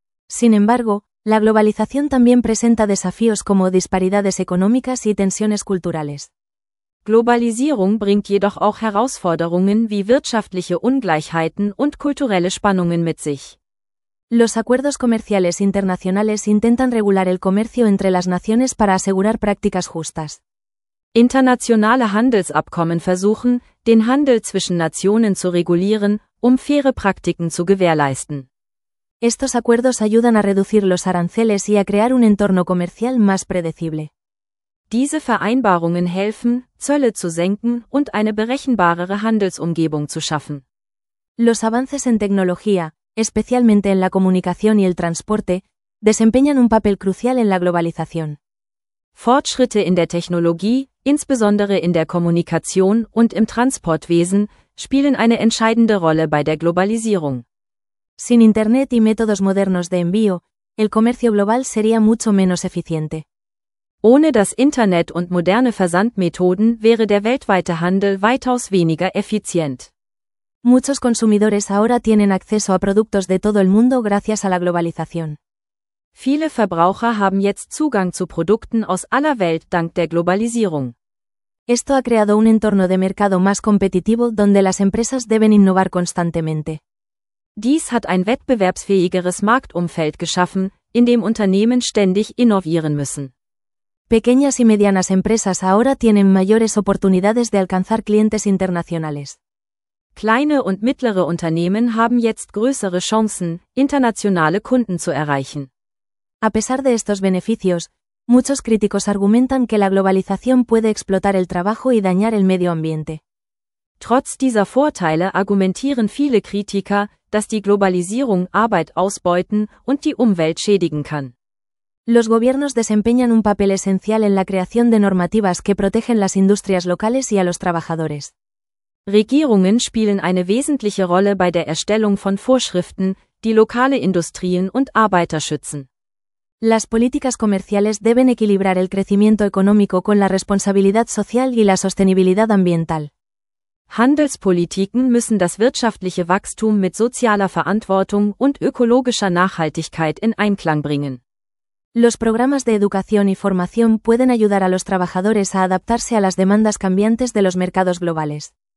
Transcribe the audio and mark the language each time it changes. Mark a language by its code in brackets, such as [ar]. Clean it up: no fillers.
[es] Sin embargo, la globalización también presenta desafíos como disparidades económicas y tensiones culturales. [de] Globalisierung bringt jedoch auch Herausforderungen wie wirtschaftliche Ungleichheiten und kulturelle Spannungen mit sich. [es] Los acuerdos comerciales internacionales intentan regular el comercio entre las naciones para asegurar prácticas justas. [de] Internationale Handelsabkommen versuchen, den Handel zwischen Nationen zu regulieren, um faire Praktiken zu gewährleisten. [es] Estos acuerdos ayudan a reducir los aranceles y a crear un entorno comercial más predecible. [de] Diese Vereinbarungen helfen, Zölle zu senken und eine berechenbarere Handelsumgebung zu schaffen. [es] Los avances en tecnología, especialmente en la comunicación y el transporte, desempeñan un papel crucial en la globalización. [de] Fortschritte in der Technologie, insbesondere in der Kommunikation und im Transportwesen, spielen eine entscheidende Rolle bei der Globalisierung. [es] Sin Internet y métodos modernos de envío, el comercio global sería mucho menos eficiente. [de] Ohne das Internet und moderne Versandmethoden wäre der weltweite Handel weitaus weniger effizient. [es] Muchos consumidores ahora tienen acceso a productos de todo el mundo gracias a la globalización. [de] Viele Verbraucher haben jetzt Zugang zu Produkten aus aller Welt dank der Globalisierung. [es] Esto ha creado un entorno de mercado más competitivo donde las empresas deben innovar constantemente. [de] Dies hat ein wettbewerbsfähigeres Marktumfeld geschaffen, in dem Unternehmen ständig innovieren müssen. [es] Pequeñas y medianas empresas ahora tienen mayores oportunidades de alcanzar clientes internacionales. [de] Kleine und mittlere Unternehmen haben jetzt größere Chancen, internationale Kunden zu erreichen. [es] A pesar de estos beneficios, muchos críticos argumentan que la globalización puede explotar el trabajo y dañar el medio ambiente. [de] Trotz dieser Vorteile argumentieren viele Kritiker, dass die Globalisierung Arbeit ausbeuten und die Umwelt schädigen kann. [es] Los gobiernos desempeñan un papel esencial en la creación de normativas que protegen las industrias locales y a los trabajadores. [de] Regierungen spielen eine wesentliche Rolle bei der Erstellung von Vorschriften, die lokale Industrien und Arbeiter schützen. [es] Las políticas comerciales deben equilibrar el crecimiento económico con la responsabilidad social y la sostenibilidad ambiental. [de] Handelspolitiken müssen das wirtschaftliche Wachstum mit sozialer Verantwortung und ökologischer Nachhaltigkeit in Einklang bringen. [es] Los programas de educación y formación pueden ayudar a los trabajadores a adaptarse a las demandas cambiantes de los mercados globales.